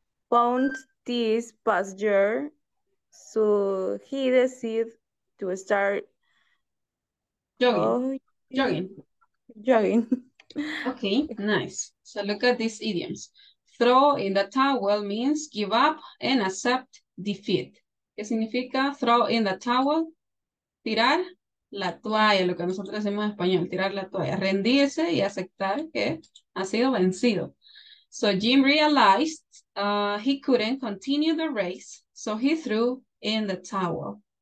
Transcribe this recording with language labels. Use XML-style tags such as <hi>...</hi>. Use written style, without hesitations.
<en>Found this pasture, so he decided to start jogging. Okay, nice. So look at these idioms. Throw in the towel means give up and accept defeat.</en> <es>¿Qué significa</es> <en>throw in the towel?</en> <es>Tirar la toalla, lo que nosotros decimos en español, tirar la toalla, rendirse y aceptar que ha sido vencido.</es> <en>So Jim realized he couldn't continue the race, so he threw in the towel.</en>